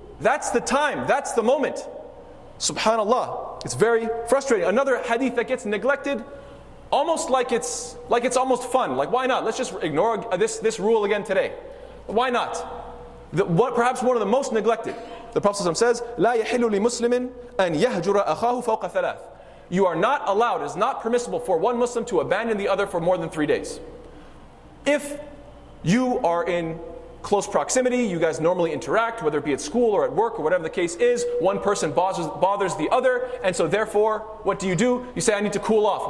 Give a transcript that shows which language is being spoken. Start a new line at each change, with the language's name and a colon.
English: That's the time. That's the moment. Subhanallah. It's very frustrating. Another hadith that gets neglected, almost like it's almost fun. Like, why not? Let's just ignore this rule again today. Why not? Perhaps one of the most neglected. The Prophet says,
Arabic: لا يحل لمسلم أن يهجر أخاه فوق ثلاث.
English: You are not allowed, it is not permissible for one Muslim to abandon the other for more than 3 days. If you are in close proximity, you guys normally interact, whether it be at school or at work or whatever the case is, one person bothers the other, and so therefore, what do? You say, I need to cool off.